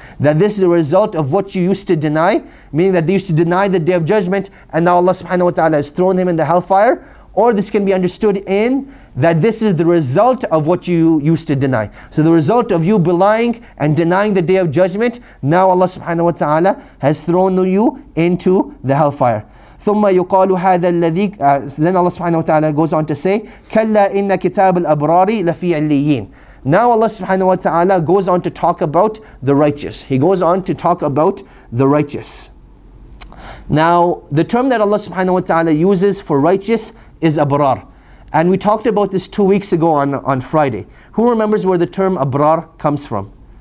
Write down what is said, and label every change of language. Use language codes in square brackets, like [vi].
[en] That this is a result of what you used to deny, meaning that they used to deny the Day of Judgment, and now Allah subhanahu wa ta'ala has thrown him in the hellfire. Or this can be understood in that this is the result of what you used to deny. So the result of you belying and denying the Day of Judgment, now Allah subhanahu wa ta'ala has thrown you into the hellfire. [ar] ثُمَّ يُقَالُ هَذَا الَّذِي [en] Then Allah subhanahu wa ta'ala goes on to say, [ar] كَلَّا إِنَّ كِتَابَ الْأَبْرَارِ لَفِي عِلِّيِّينَ. [en] Now Allah subhanahu wa ta'ala goes on to talk about the righteous. He goes on to talk about the righteous. Now, the term that Allah subhanahu wa ta'ala uses for righteous is abrar. And we talked about this 2 weeks ago on Friday. Who remembers where the term abrar comes from?